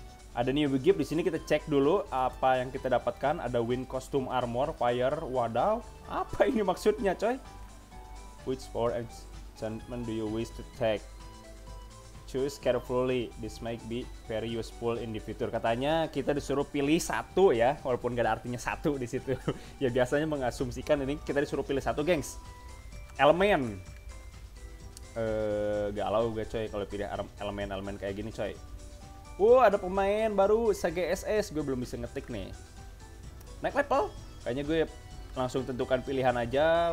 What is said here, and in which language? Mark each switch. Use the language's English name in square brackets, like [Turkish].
[Indonesian] Ada new gift di sini, kita cek dulu apa yang kita dapatkan. Ada win costume armor, fire, wadaw. Apa ini maksudnya, coy? [English] Which four enchantment do you wish to take? Choose carefully, this might be very useful in the future. [Indonesian] Katanya kita disuruh pilih satu ya, walaupun gak ada artinya satu di situ. Ya biasanya mengasumsikan ini kita disuruh pilih satu, gengs. Elemen. Galau gue, coy, kalau pilih elemen-elemen kayak gini, coy. Wow, ada pemain baru, Sage SS. Gue belum bisa ngetik nih. Naik level. Kayaknya gue langsung tentukan pilihan aja.